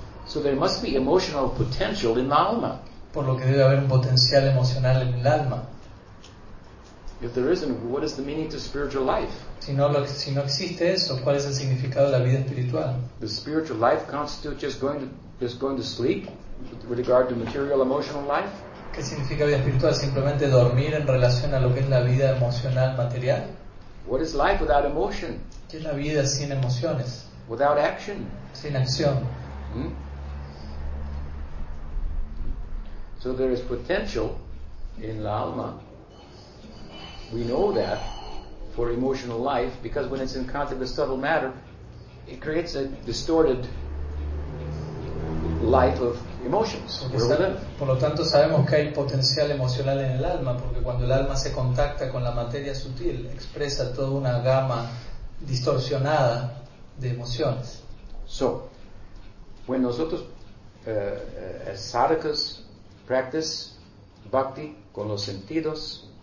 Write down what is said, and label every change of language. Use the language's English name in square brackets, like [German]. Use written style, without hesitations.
[English] So there must be emotional potential in the alma. [Spanish] Por lo que debe haber un potencial emocional en el alma. [English] If there isn't, what is the meaning to spiritual life? [Spanish] Si no existe eso, ¿cuál es el significado de la vida espiritual? [English] The spiritual life constitutes just going to sleep with regard to material emotional life? [Spanish] ¿Qué significa vida espiritual? Simplemente dormir en relación a lo que es la vida emocional material. [English] What is life without emotion? [Spanish] ¿Qué es la vida sin emociones? [English] Without action. [Spanish] Sin acción. [English] So there is potential in [Spanish] la alma. [English] We know that for emotional life, because when it's in contact with subtle matter, it creates a distorted life of emotions. [Spanish] Por lo tanto, sabemos que hay potencial emocional en el alma, porque cuando el alma se contacta con la materia sutil, expresa toda una gama distorsionada de emociones. [English] So, when nosotros, as sadhakas, practice bhakti [Spanish] con los sentidos,